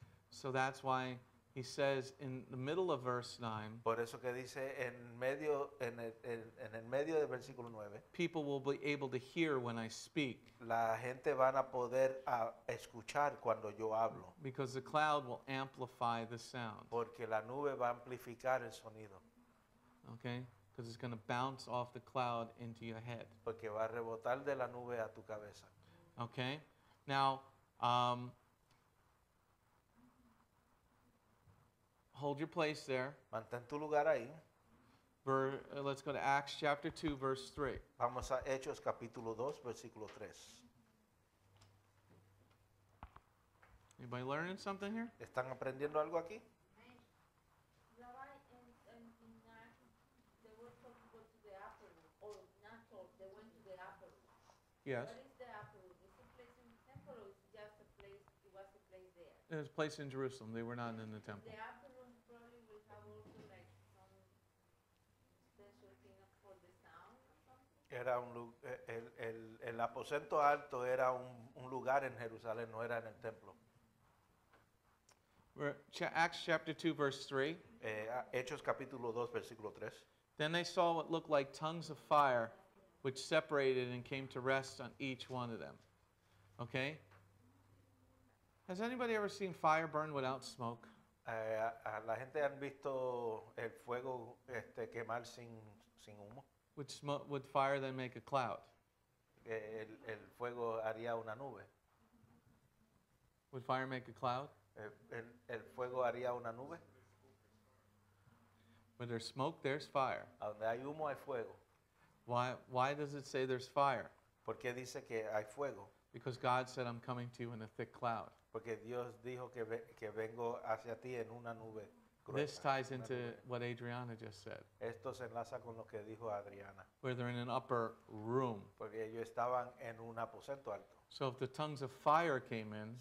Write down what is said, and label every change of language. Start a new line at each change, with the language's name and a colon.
English: So that's why he says in the middle of verse 9.
Spanish: Por eso que dice en el medio del versículo 9.
English: People will be able to hear when I speak.
Spanish: La gente van a poder escuchar cuando yo hablo.
English: Because the cloud will amplify the sound.
Spanish: Porque la nube va a amplificar el sonido.
English: Okay? Because it's going to bounce off the cloud into your head.
Spanish: Porque va a rebotar de la nube a tu cabeza.
English: Okay? Now, hold your place there.
Spanish: Mantén tu lugar ahí.
English: Let's go to Acts chapter 2, verse 3.
Spanish: Vamos a Hechos capítulo 2, versículo 3.
English: Anybody learning something here?
Spanish: ¿Están aprendiendo algo aquí?
English: Yes. It was a place in Jerusalem. They were not in the temple. The afternoon probably will have also like some
Spanish: Era un el aposento alto era un lugar en Jerusalén, no era en el templo.
English: Acts chapter 2 verse 3.
Spanish: Hechos capítulo 2 versículo 3.
English: Then they saw what looked like tongues of fire which separated and came to rest on each one of them. Okay? Has anybody ever seen fire burn without smoke?
Spanish: La gente han visto el fuego quemar sin humo.
English: Would fire then make a cloud?
Spanish: El fuego haría una nube.
English: Would fire make a cloud?
Spanish: El fuego haría una nube.
English: When there's smoke, there's fire.
Spanish: Donde hay humo, hay fuego.
English: Why does it say there's fire?
Spanish: ¿Por qué dice que hay fuego?
English: Because God said, I'm coming to you in a thick cloud.
Spanish: Porque Dios dijo que vengo hacia ti en una nube.
English: This ties into what Adriana just said.
Spanish: Esto se enlaza con lo que dijo Adriana.
English: Where they're in an upper room.
Spanish: Porque ellos estaban en un aposento alto.
English: So if the tongues of fire came in,